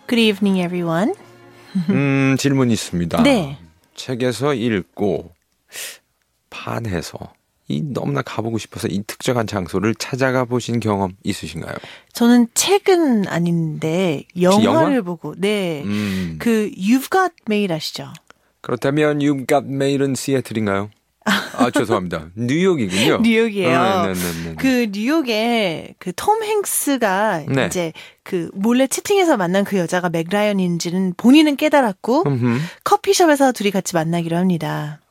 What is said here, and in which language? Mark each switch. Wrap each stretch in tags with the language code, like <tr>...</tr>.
<en>Good evening, everyone.</en> <ko>질문 있습니다. 네. 책에서 읽고 반해서 이 너무나 가보고 싶어서 이 특정한 장소를 찾아가 보신 경험 있으신가요? 저는 책은 아닌데 영화를 보고 네. 그 You've Got Mail 아시죠? 그렇다면 You've Got Mail은 시애틀인가요? 아 죄송합니다. 뉴욕이군요. 뉴욕이에요. 그 뉴욕에 그 톰 행스가 네. 이제 그 몰래 채팅해서 만난 그 여자가 맥 라이언인지는 본인은 깨달았고 커피숍에서 둘이 같이 만나기로 합니다.</ko>